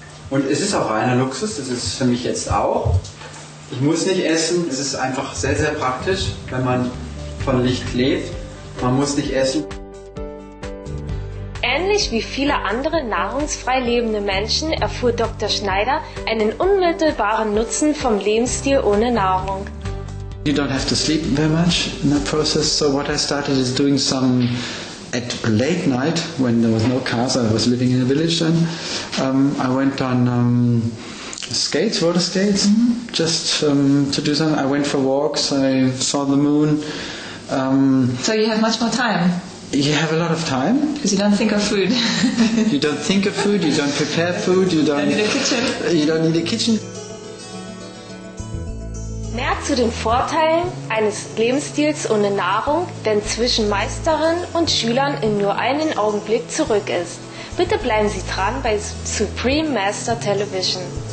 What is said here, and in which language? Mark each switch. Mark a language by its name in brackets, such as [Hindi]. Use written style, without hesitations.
[German] Und es ist auch reiner Luxus, das ist für mich jetzt auch. Ich muss nicht essen, es ist einfach sehr, sehr praktisch, wenn man von Licht lebt. Man muss nicht essen. Ähnlich wie viele andere nahrungsfrei lebende Menschen erfuhr Dr. Schneider einen unmittelbaren Nutzen vom Lebensstil ohne Nahrung. [English] You don't have to sleep very much in the process. So what I started is doing some at late night when there was no cars. I was living in a village then. I went on skates, water skates, just to do something. I went for walks. I saw the moon. So you have much more time. You have a lot of time. Because you don't think of food. You don't think of food. You don't prepare food. You don't need a kitchen. You don't need a kitchen. [German] Mehr zu den Vorteilen eines Lebensstils ohne Nahrung, denn zwischen Meisterin und Schülern in nur einen Augenblick zurück ist. Bitte bleiben Sie dran bei Supreme Master Television.